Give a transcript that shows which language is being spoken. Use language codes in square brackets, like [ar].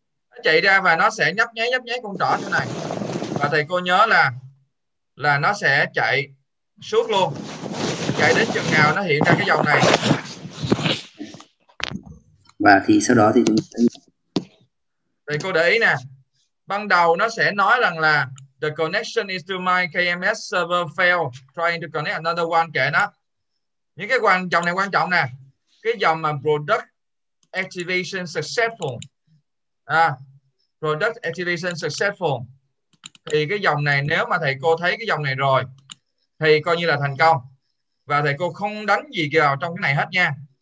[vi] Nó chạy ra và nó sẽ nhấp nháy con trỏ thế này. Và thầy cô nhớ là nó sẽ chạy suốt luôn. Chạy đến chừng nào nó hiện ra cái dòng này. Và thì sau đó thì thầy cô để ý nè. Ban đầu nó sẽ nói rằng là [en] The connection is to my KMS server failed trying to connect another one. [vi] Kể nó. Những cái quan trọng này quan trọng nè. Cái dòng mà [en] product activation successful. À, product activation successful. [vi] Thì cái dòng này nếu mà thầy cô thấy cái dòng này rồi thì coi như là thành công. Và thầy cô không đánh gì vào trong cái này hết nha.